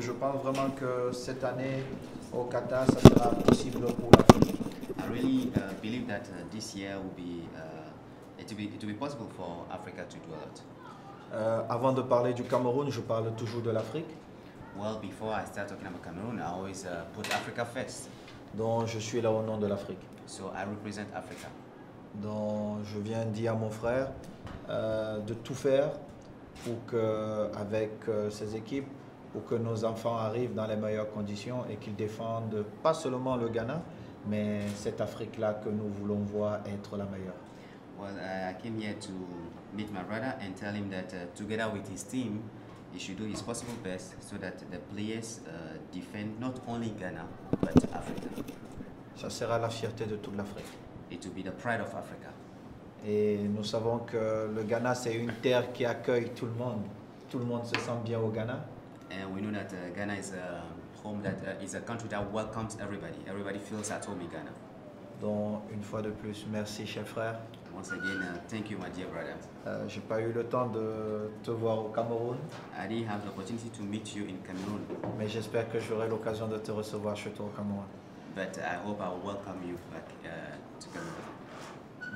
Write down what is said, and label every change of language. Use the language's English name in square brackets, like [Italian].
[French] Je pense vraiment que cette année au Qatar, ça sera possible pour l'Afrique. [English] I really believe that this year will be it will be possible for Africa to do it. [French] Avant de parler du Cameroun, je parle toujours de l'Afrique. [English] Well, before I start talking about Cameroon, I always put Africa first. [French] Donc, je suis là au nom de l'Afrique. [English] So I represent Africa. [French] Donc, je viens dire à mon frère de tout faire pour que avec ses équipes. Pour que nos enfants arrivent dans les meilleures conditions et qu'ils défendent pas seulement le Ghana, mais cette Afrique-là que nous voulons voir être la meilleure. [English] Well, I came here to meet my brother and tell him that together with his team, he should do his possible best so that the players defend not only Ghana but Africa. [French] Ça sera la fierté de toute l'Afrique. [English] It will be the pride of Africa. [French] Et nous savons que le Ghana c'est une terre qui accueille tout le monde. Tout le monde se sent bien au Ghana. [English] And we know that Ghana is a home that is a country that welcomes everybody. Everybody feels at home in Ghana. [French] Donc une fois de plus, merci cher frère. [English] Once again, thank you my dear brother. [French] J'ai pas eu le temps de te voir au Cameroun. [English] I didn't have the opportunity to meet you in Cameroon. [French] Mais j'espère que j'aurai l'occasion de te recevoir chez toi au Cameroun. [English] But I hope I'll welcome you back to Cameroon.